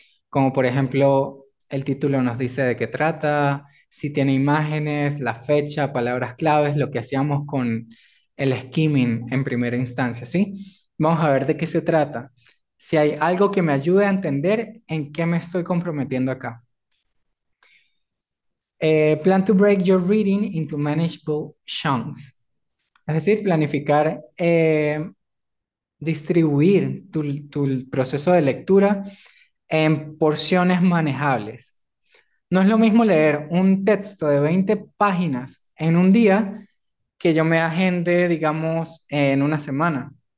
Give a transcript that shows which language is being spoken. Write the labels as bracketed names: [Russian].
[Spanish] Como por ejemplo, el título nos dice de qué trata, si tiene imágenes, la fecha, palabras claves, lo que hacíamos con el skimming en primera instancia, ¿sí? Vamos a ver de qué se trata. Si hay algo que me ayude a entender en qué me estoy comprometiendo acá. [English] Plan to break your reading into manageable chunks. [Spanish] Es decir, planificar, distribuir tu proceso de lectura en porciones manejables. No es lo mismo leer un texto de 20 páginas en un día que yo me agende, digamos, en una semana.